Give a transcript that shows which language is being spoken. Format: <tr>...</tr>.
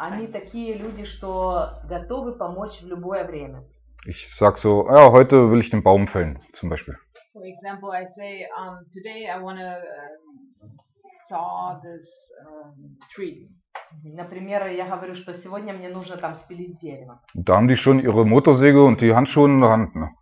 <ru>Они такие люди, что готовы помочь в любое время.</ru> <de>Ich sag so, ja, heute will ich den Baum fällen, zum Beispiel.</de> <en>For example, I say, today I want to saw this tree.</en> <ru>Например, я говорю, что сегодня мне нужно там спилить дерево.</ru> <de>Da haben die schon ihre Motorsäge und die Handschuhe in der Hand, ne?</de>